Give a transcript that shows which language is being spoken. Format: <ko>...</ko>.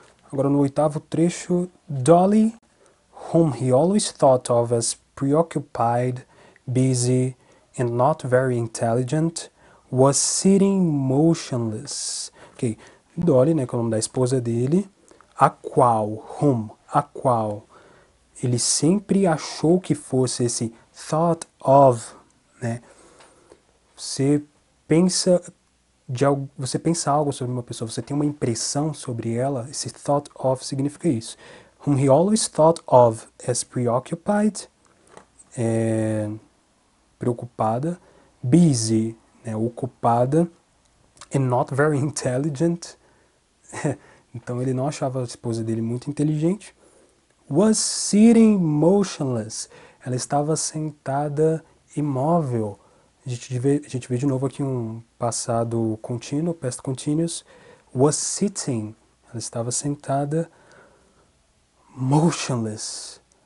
<pt>Agora no oitavo trecho,</pt> <en>Dolly, whom he always thought of as preoccupied, busy, and not very intelligent, was sitting motionless. Ok.</en> <pt>Dolly, né, que é o nome da esposa dele, a qual, whom, a qual ele sempre achou que fosse esse</pt> <en>thought of,</en> <pt>né? Você pensa algo sobre uma pessoa, você tem uma impressão sobre ela, esse thought of significa isso.</pt> <en>Whom he always thought of as preoccupied, preocupada, busy, né, ocupada, and not very intelligent.</en> <pt>Então ele não achava a esposa dele muito inteligente.</pt> <en>Was sitting motionless.</en> <pt>Ela estava sentada imóvel. A gente vê de novo aqui um passado contínuo, past continuous.</pt> <en>Was sitting.</en> <pt>Ela estava sentada motionless.</pt>